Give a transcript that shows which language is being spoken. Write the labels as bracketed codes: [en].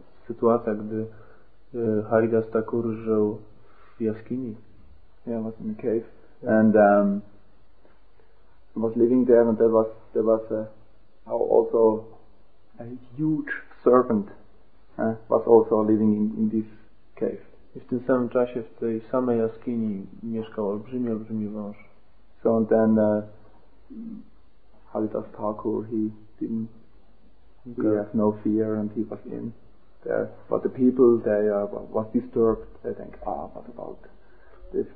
[pl] Sytuacja, gdy Haridas Thakur żył w jaskini. [en] Yeah, was in a cave. Yeah. And was living there, and there was also a huge serpent was also living in this cave. [pl] I w tym samym czasie w tej samej jaskini mieszkał olbrzymi wąż. [en] So then Haridas Thakur, he didn't he have no fear and he was in there. But the people, they was disturbed. They think, what about this?